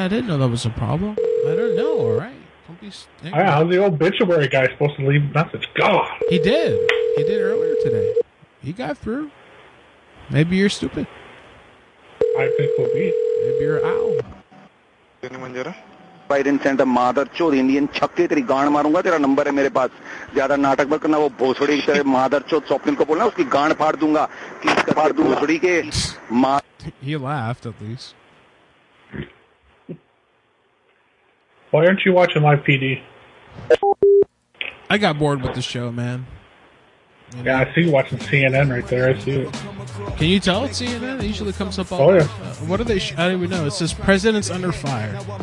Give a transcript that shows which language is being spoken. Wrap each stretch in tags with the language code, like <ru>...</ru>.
<en>I didn't know that was a problem. I don't know. All right. Don't be stinking. How's the obituary guy supposed to leave a message? God. He did. He did earlier today. He got through. Maybe you're stupid. I think we'll be. Maybe you're out. Anyone get it? Biden sent a mother</en> <hi>चोद Indian छक्के तेरी गांड मारूंगा तेरा number है मेरे पास ज़्यादा नाटक मत करना वो भोसड़ी के mother चोद shopping को बोलना उसकी गांड फाड़ दूंगा की फाड़ दूंगा भोसड़ी के</hi> <en>he laughed at least. Why aren't you watching live PD? I got bored with the show, man. Yeah, I see you watching CNN right there. I see it. Can you tell it's CNN? It usually comes up all the time. What are they? I don't even know. It says President's Under Fire.</en>